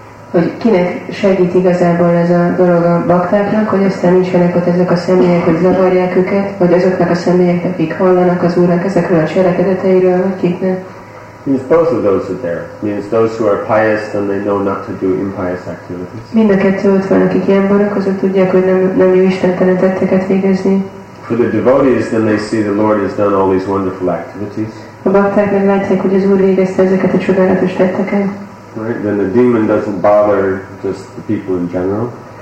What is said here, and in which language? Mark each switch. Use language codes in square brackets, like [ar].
[hu] Hogy kinek segít igazából ez a dolog a baktáknak, hogy aztán nincsenek ott ezek a személyek, hogy zavarják őket, vagy azoknak a személyek, akik hallanak az Úrnak ezekről a cselekedeteiről, akiknek. [en] Means both of those are there. Means those who are pious, then they know not to do impious activities. [hu] Mind a kettő ott van, akik ilyen barak, azok tudják, hogy nem jó istentelen tetteket végezni. [en] For the devotees, then they see the Lord has done all these wonderful activities. [hu] A bakták meglátják, hogy az Úr végezte ezeket a csodálatos tetteket. [en] Right? Then the demon doesn't bother just the people in general.